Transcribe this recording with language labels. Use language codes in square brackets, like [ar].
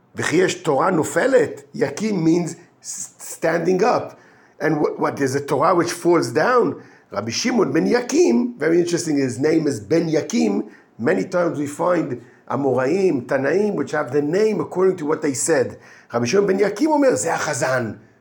[he] וכי יש תורה נופלת, יקים [en] means standing up. And what, there's a Torah which falls down. רבי שמעון בן יקים, very interesting, his name is בן יקים. Many times we find אמוראים, תנאים, which have the name according to what they said. [he] רבי שמעון בן יקים אומר, זה החזן.